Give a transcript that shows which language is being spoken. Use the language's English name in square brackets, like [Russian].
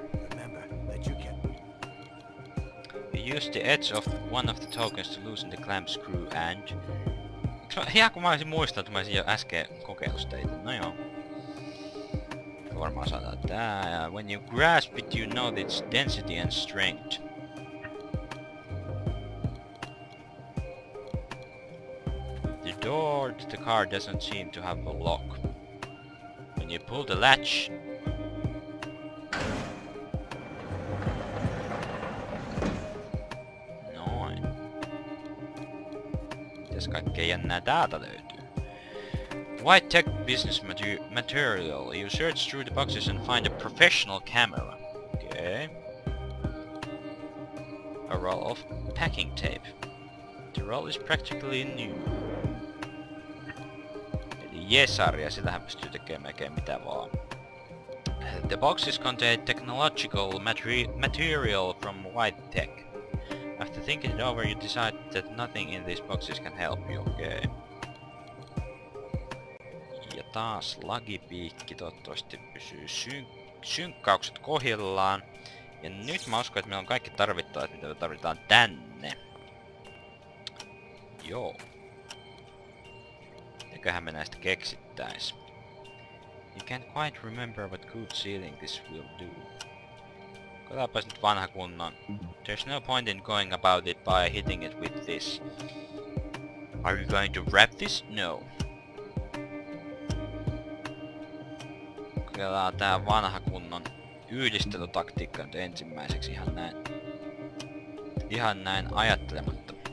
[English] Remember that you can use the edge of one of the tokens to loosen the clamp screw and [Finnish] ihan kun mä olisin muistanut, että mä olisin jo äsken kokeillut teitä. No joo. Varmaan saadaan tää. [English] Ja when you grasp it, you know its density and strength. The door to the car doesn't seem to have a lock. When you pull the latch... [Finnish] Noin. Mites kaikkea jännää täältä löytyy? [English] White tech business material. You search through the boxes and find a professional camera. Okay. A roll of packing tape. The roll is practically new. [Finnish] Eli jesarja, sillähän pystyy tekemään oikein mitä vaan. [English] The boxes contain technological material from white tech. After thinking it over, you decide that nothing in these boxes can help you. Okay. [Finnish] Taas lagipiikki, toivottavasti pysyy synkkaukset kohdillaan. Ja nyt mä uskon, että meillä on kaikki tarvittavat, mitä me tarvitaan tänne. Joo. Eiköhän me näistä keksittäis. [English] You can't quite remember what good sealing this will do. [Finnish] Katsotaanpas nyt vanha kunnon. [English] There's no point in going about it by hitting it with this. Are you going to wrap this? No. [Finnish] Kokeillaan tää vanha kunnon yhdistelytaktiikka nyt ensimmäiseksi ihan näin. Ihan näin ajattelematta.